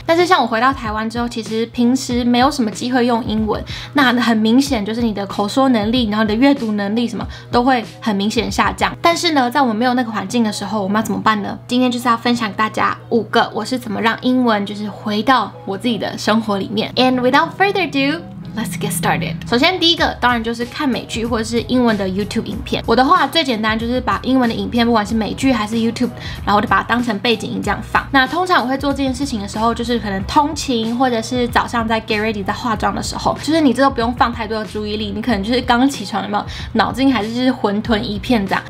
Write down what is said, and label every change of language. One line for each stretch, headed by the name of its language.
Chinese: 但是像我回到台湾之后，其实平时没有什么机会用英文，那很明显就是你的口说能力，然后你的阅读能力什么都会很明显下降。但是呢，在我们没有那个环境的时候，我们要怎么办呢？今天就是要分享给大家五个我是怎么让英文就是回到我自己的生活里面。
English: And without further ado, let's get started.
Chinese: 首先第一个当然就是看美剧或者是英文的 YouTube 影片。我的话最简单就是把英文的影片，不管是美剧还是 YouTube, 然后就把它当成背景音这样放。那通常我会做这件事情的时候，就是可能通勤或者是早上在
English: get ready
Chinese: 在化妆的时候，就是你这都不用放太多的注意力，你可能就是刚起床，有没有脑筋还是混沌一片这样。